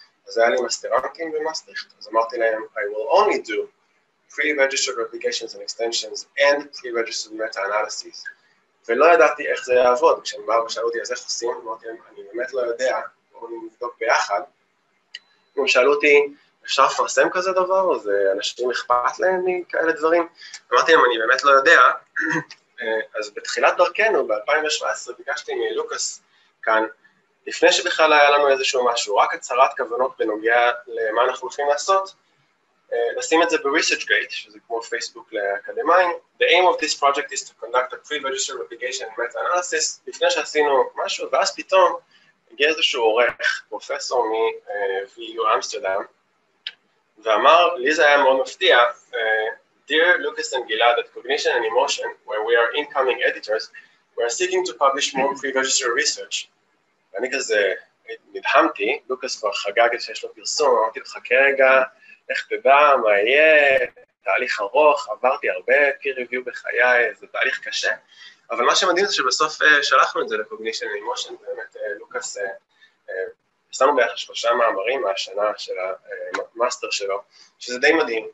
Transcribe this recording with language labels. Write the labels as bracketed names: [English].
[Hebrew] אז היה לי מסטרנטים במאסטריכט, אז אמרתי להם, [English] I will only do pre-registered replications and extensions and pre-registered meta-analyses. [Hebrew] ולא ידעתי איך זה יעבוד, כשהם באו ושאלו אותי אז איך עושים, אמרתי להם, אני באמת לא יודע, בואו נבדוק ביחד. הם שאלו אותי, אפשר לפרסם כזה דבר, או זה אנשים אכפת להם מכאלה דברים? אמרתי להם, אני באמת לא יודע. אז בתחילת דרכנו, ב-2017, ביקשתי מלוקס כאן, לפני שבכלל היה לנו איזשהו משהו, רק הצהרת כוונות בנוגע למה אנחנו הולכים לעשות, לשים את זה ב-Research Gate, שזה כמו פייסבוק לאקדמיים. [English] The aim of this project is to conduct a pre-registered replication and meta-analysis, [Hebrew] לפני שעשינו משהו, ואז פתאום, הגיע איזשהו עורך, פרופסור מ-VU אמסטרדם, ואמר, לי זה היה מאוד מפתיע, [English] Dear Lucas and Gilad at Cognition and Emotion, where we are incoming editors, we are seeking to publish more pre-registered research. [Hebrew] ואני כזה נדהמתי, לוקס כבר חגג את שיש לו פרסום, אמרתי לך, חכה רגע, איך תדע, מה יהיה, תהליך ארוך, עברתי הרבה peer-review בחיי, זה תהליך קשה. אבל מה שמדהים זה שבסוף שלחנו את זה לקוגנישן ולמושן, באמת לוקס, שמנו ביחד 3 מאמרים מהשנה של המאסטר שלו, שזה די מדהים.